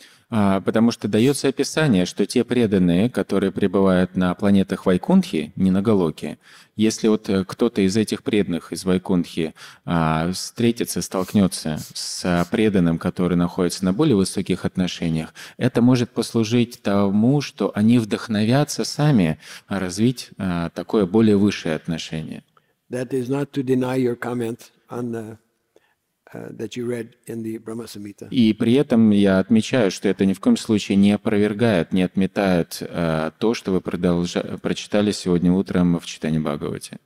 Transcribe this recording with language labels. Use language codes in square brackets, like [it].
[ru] Потому что дается описание, что те преданные, которые пребывают на планетах Вайкунтхи, не на Галоке, если вот кто-то из этих преданных из Вайкунтхи встретится, столкнется с преданным, который находится на более высоких отношениях, это может послужить тому, что они вдохновятся сами развить такое более высшее отношение. [en] That is not to deny your comment on the... That you read in the Brahma Samhita. [ru] И при этом я отмечаю, что это ни в коем случае не опровергает, не отметает то, что вы прочитали сегодня утром в Чайтанья Бхагавате.